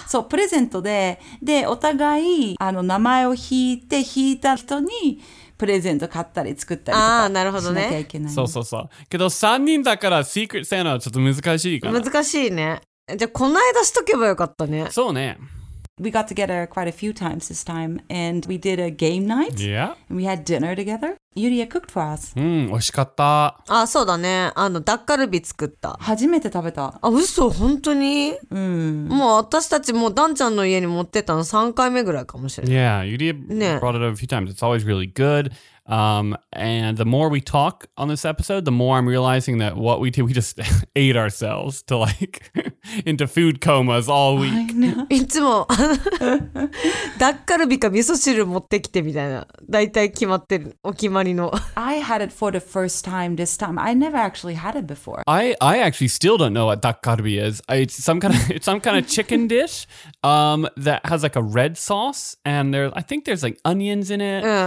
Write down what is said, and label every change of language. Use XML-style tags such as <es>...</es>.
<ja>そう、プレゼントで、で、お互い、名前を引いて、引いた人に、プレゼント買ったり作ったりとかしなきゃいけない。あ、なるほどね。そうそうそう。けど3人だからシークレットサンタはちょっと難しいかな。難しいね。じゃあこの間しとけばよかったね。そうね。</ja> <en>We got together quite a few times this time and we did a game night. Yeah. And we had dinner together. Yuria cooked for us.</en> <ja>うん、美味しかった。あ、そうだね。ダッカルビ作った。初めて食べた。あ、嘘、本当に？うん。もう私たちもうダンちゃんの家に持ってたの3回目ぐらいかもしれない。</ja> <en>Yeah, Yuria brought it a few times. It's always really good. And the more we talk on this episode, the more I'm realizing that what we did, we just ate ourselves to like... Into food comas all week.</en> <ja>いつもダッカルビか味噌汁持ってきてみたいな。大体決まってる。お決まりの。</ja> <en>I had it for the first time this time. I never actually had it before. I actually still don't know what ダッカルビ is. It's some kind of chicken dish that has like a red sauce. And I think there's like onions in it.</en>